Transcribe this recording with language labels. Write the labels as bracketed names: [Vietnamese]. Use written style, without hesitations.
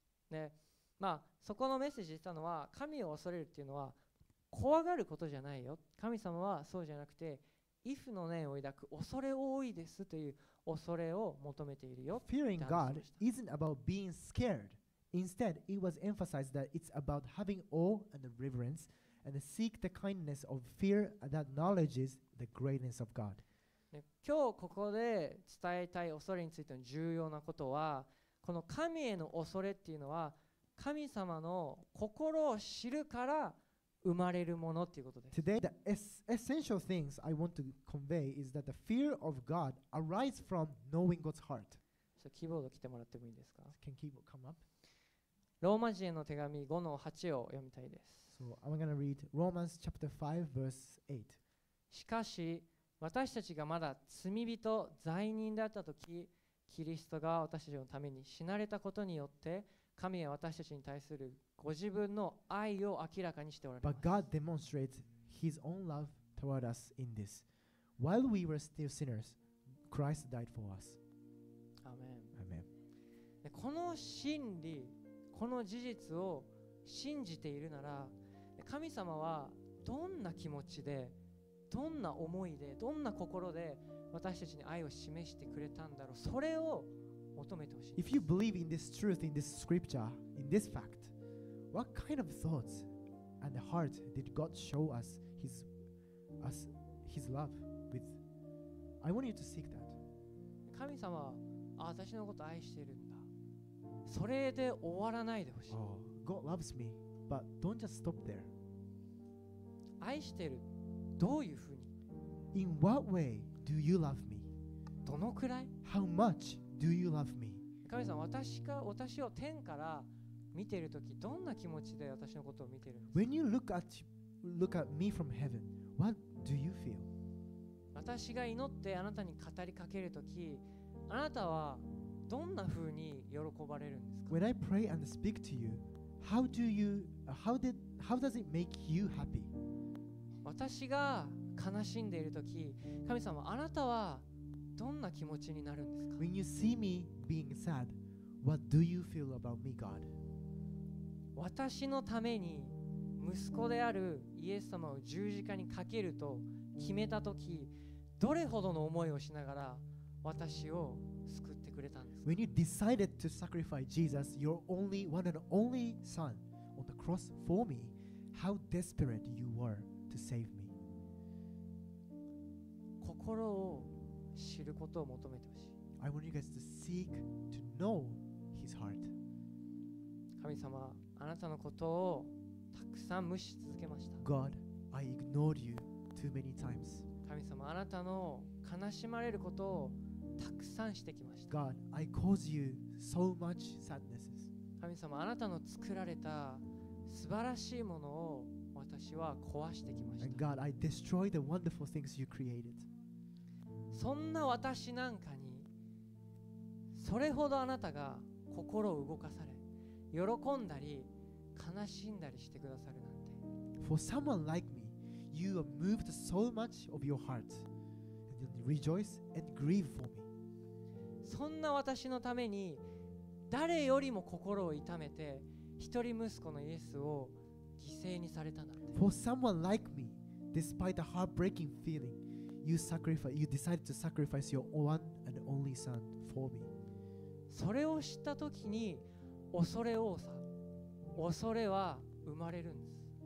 [Japanese] ね、まあそこのメッセージしたのは、神を恐れるっていうのは怖がることじゃないよ。神様はそうじゃなくて、イフの念を抱く恐れ多いですという恐れを求めているよ。 [English] Fearing God isn't about being scared. Instead, it was emphasized that it's about having awe and reverence and seek the kindness of fear that acknowledges the greatness of God. [Japanese] 今日ここで伝えたい恐れについての重要なことは、この神への恐れっていうのは神様の心を知るから生まれるものっていうことです。 [English] Today the essential things I want to convey is that the fear of God arises from knowing God's heart. [Japanese] キーボード来てもらってもいいですか。 [English] Can keyboard come up? [Japanese] ローマ人への手紙5の8を読みたいです。 [English] So I'm going to read Romans chapter 5 verse 8. [Japanese] しかし私たちがまだ罪人、罪人だったとき、キリストが私たちのために死なれたことによって、神は私たちに対するご自分の愛を明らかにしておられます。 [English] But God demonstrates His own love toward us in this. While we were still sinners, Christ died for us. Amen. Amen. [Japanese] この真理、この事実を信じているなら、神様はどんな気持ちで、どんな思いで、どんな心で私たちに愛を示してくれたんだろう、それを求めてほしい。 [English] If you believe in this truth, in this scripture, in this fact, what kind of thoughts and heart did God show us his love with? I want you to seek that. [Japanese] 神様は私のこと愛しているんだ、それで終わらないでほしい。 [English] Oh, God loves me, but don't just stop there. [Japanese] 愛してる、どういうふうに、 [English] In what way do you love me? [Japanese] どのくらい、 [English] How much do you love me? [Japanese] 神様、私を天から見ているとき、どんな気持ちで私のことを見ているんですか。 [English] When you look at me from heaven, what do you feel? [Japanese] 私が祈ってあなたに語りかけるとき、あなたはどんなふうに喜ばれるんですか。 [English] When I pray and speak to you, how does it make you happy? [Japanese] 私が悲しんでいるとき、神様、あなたはどんな気持ちになるんですか。 [English] When you see me being sad, what do you feel about me, God? [Japanese] 私のために息子であるイエス様を十字架にかけると決めたとき、どれほどの思いをしながら私を救ってくれたんですか。 [English] When you decided to sacrifice Jesus, your only one and only son, on the cross for me, how desperate you were. To save me. [Japanese] 心を知ることを求めてほしい。 [English] I want you guys to seek to know his heart. [Japanese] 神様、あなたのことをたくさん無視し続けました。 [English] God, I ignored you too many times. [Japanese] 神様、あなたの悲しまれることをたくさんしてきました。 [English] God, I caused you so much sadnesses. [Japanese] 神様、あなたの作られた素晴らしいものを私は壊してきました。 [English] And God, I destroyed the wonderful things you created. [Japanese] そんな私なんかに、それほどあなたが心を動かされ、喜んだり悲しんだりしてくださるなんて。 [English] For someone like me, you are moved so much of your heart, and you rejoice and grieve for me. [Japanese] そんな私のために誰よりも心を痛めて、一人息子のイエスを犠牲にされたなんて。 [English] For someone like me, despite the heartbreaking feeling, you decided to sacrifice your one and only son for me. [Japanese] それを知った時に恐れ多さ、恐れは生まれるんです。